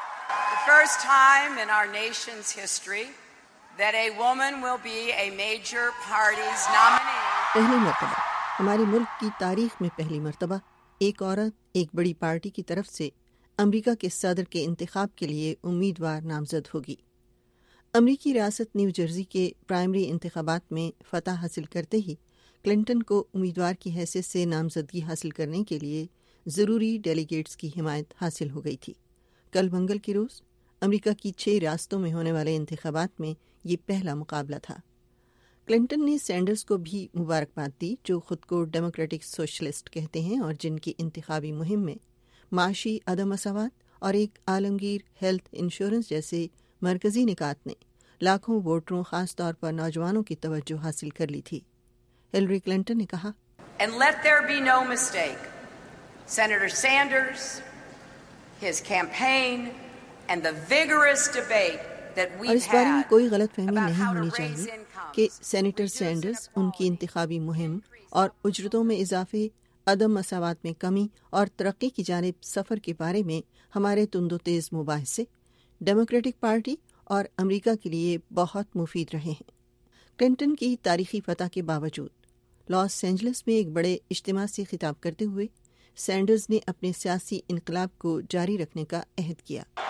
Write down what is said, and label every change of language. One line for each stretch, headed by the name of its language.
English: The first time in our nation's history that a woman will be a major party's nominee.
Urdu: پہلی مرتبہ ہمارے ملک کی تاریخ میں پہلی مرتبہ ایک عورت ایک بڑی پارٹی کی طرف سے امریکہ کے صدر کے انتخاب کے لیے امیدوار نامزد ہوگی۔ امریکی ریاست نیو جرزی کے پرائمری انتخابات میں فتح حاصل کرتے ہی کلنٹن کو امیدوار کی حیثیت سے نامزدگی حاصل کرنے کے لیے ضروری ڈیلیگیٹس کی حمایت حاصل ہو گئی تھی۔ کل منگل کے روز امریکہ کی 6 ریاستوں میں ہونے والے انتخابات میں یہ پہلا مقابلہ تھا۔ کلنٹن نے سینڈرز کو بھی مبارکباد دی، جو خود کو ڈیموکریٹک سوشلسٹ کہتے ہیں اور جن کی انتخابی مہم میں معاشی عدم مساوات اور ایک عالمگیر ہیلتھ انشورنس جیسے مرکزی نکات نے لاکھوں ووٹروں، خاص طور پر نوجوانوں کی توجہ حاصل کر لی تھی۔ ہلری کلنٹن نے کہا،
English: And let there be no mistake, Senator Sanders, his campaign, and the vigorous debate that we had
Urdu: اور اس بارے میں کوئی غلط فہمی نہیں ہونی چاہیے کہ سینیٹر سینڈرز، ان کی انتخابی مہم اور اجرتوں میں اضافے، عدم مساوات میں کمی اور ترقی کی جانب سفر کے بارے میں ہمارے تند و تیز مباحثے ڈیموکریٹک پارٹی اور امریکہ کے لیے بہت مفید رہے ہیں۔ کلنٹن کی تاریخی فتح کے باوجود لاس اینجلس میں ایک بڑے اجتماع سے خطاب کرتے ہوئے سینڈرز نے اپنے سیاسی انقلاب کو جاری رکھنے کا عہد کیا۔